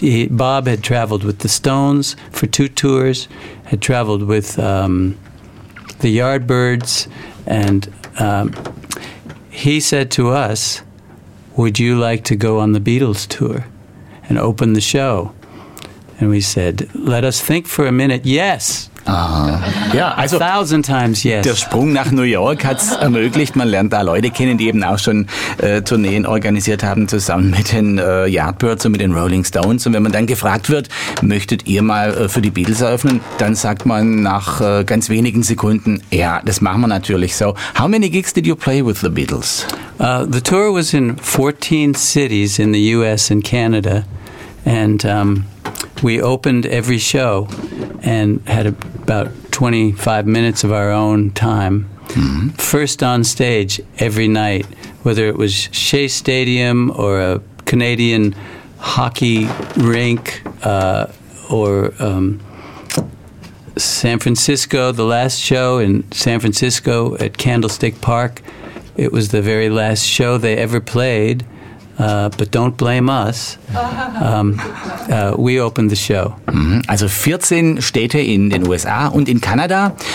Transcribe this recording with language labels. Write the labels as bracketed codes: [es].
[en] Bob had traveled with the Stones for two tours, had traveled with the Yardbirds, and he said to us, would you like to go on the Beatles tour and open the show? And we said, let us think for a minute, yes. [de] Ja, also [en] 1000 times yes. [de] Der Sprung nach New York hat es ermöglicht. Man lernt da Leute kennen, die eben auch schon Tourneen organisiert haben, zusammen mit den Yardbirds und mit den Rolling Stones. Und wenn man dann gefragt wird, möchtet ihr mal für die Beatles eröffnen, dann sagt man nach ganz wenigen Sekunden, ja, das machen wir natürlich so. [en] How many gigs did you play with the Beatles? The tour was in 14 cities in the US and Canada. And we opened every show and had about 25 minutes of our own time. Mm-hmm. First on stage every night, whether it was Shea Stadium or a Canadian hockey rink or San Francisco, the last show in San Francisco at Candlestick Park. It was the very last show they ever played. But don't blame us. We opened the show. [de] Also 14 Städte in den USA und in Kanada.